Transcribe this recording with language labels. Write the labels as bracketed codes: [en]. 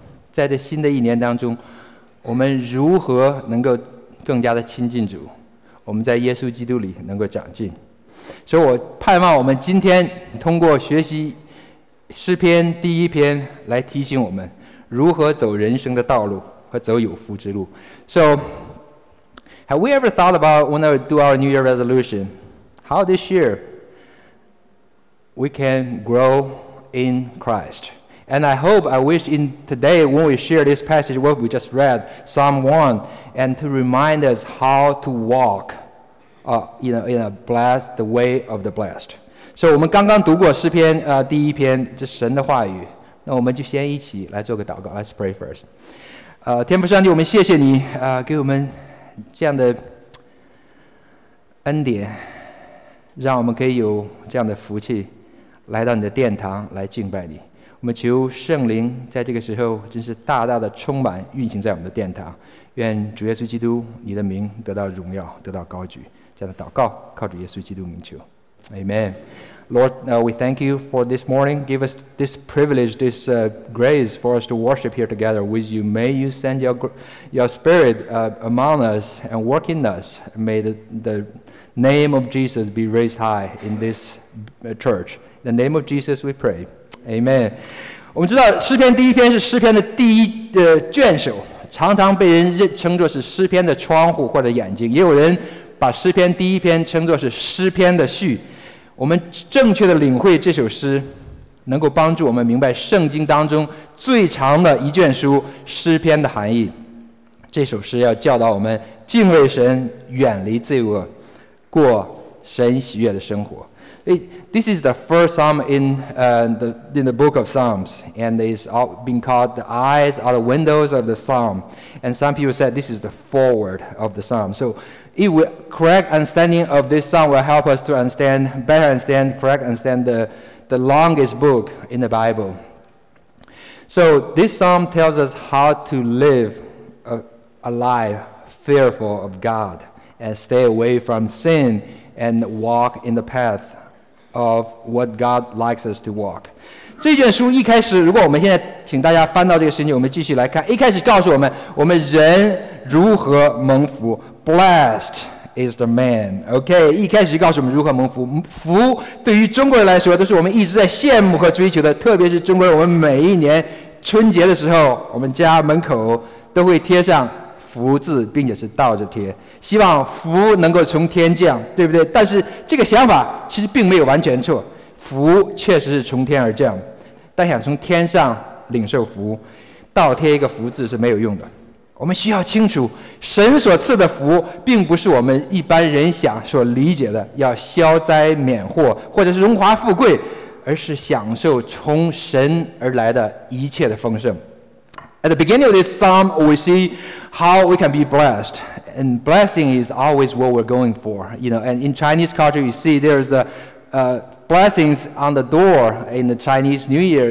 [zh] 在这新的一年当中，我们如何能够更加的亲近主，我们在耶稣基督里能够长进。所以我盼望我们今天通过学习诗篇第一篇来提醒我们如何走人生的道路和走有福之路。 [en] So have we ever thought about when we do our New Year resolution, how this year we can grow in Christ? And I hope, I wish in today when we share this passage, what we just read, Psalm 1, and to remind us how to walk in a blessed, the way of the blessed. [zh] So, 我们刚刚读过诗篇第一篇，这是神的话语。那我们就先一起来做个祷告。 [en] Let's pray first. [zh] 天父上帝，我们谢谢你给我们这样的恩典，让我们可以有这样的福气来到你的殿堂来敬拜你。我们求圣灵在这个时候真是大大的充满运行在我们的殿堂，愿主耶稣基督你的名得到荣耀，得到高举。这样的祷告靠主耶稣基督名求， [en] Amen. Lord, we thank you for this morning. Give us this privilege, this grace for us to worship here together with you. May you send your spirit among us and work in us. May the name of Jesus be raised high in this church. In the name of Jesus we prayAmen. [zh] 我们知道诗篇第一篇是诗篇的第一卷首，常常被人称作是诗篇的窗户或者眼睛，也有人把诗篇第一篇称作是诗篇的序。我们正确的领会这首诗，能够帮助我们明白圣经当中最长的一卷书诗篇的含义。这首诗要教导我们敬畏神，远离罪恶，过神喜悦的生活。 [en] This is the first psalm in the book of Psalms, and it's been called the eyes are the windows of the psalm. And some people said this is the foreword of the psalm. So it will, correct understanding of this psalm will help us to understand, better understand, correct understand the longest book in the Bible. So this psalm tells us how to live a life fearful of God and stay away from sin and walk in the path of what God likes us to walk. [zh] 这卷书一开始，如果我们现在请大家翻到这个圣经，我们继续来看。一开始告诉我们，我们人如何蒙福。 [en] Blessed is the man. [zh] OK， 一开始告诉我们如何蒙福。福对于中国人来说，都是我们一直在羡慕和追求的。特别是中国人，我们每一年春节的时候，我们家门口都会贴上福字，并且是倒着贴，希望福能够从天降，对不对？但是这个想法其实并没有完全错，福确实是从天而降，但想从天上领受福，倒贴一个福字是没有用的。我们需要清楚，神所赐的福并不是我们一般人想所理解的要消灾免祸或者是荣华富贵，而是享受从神而来的一切的丰盛。 [en] At the beginning of this psalm, we see how we can be blessed. And blessing is always what we're going for. You know, and in Chinese culture, you see there's blessings on the door in the Chinese New Year.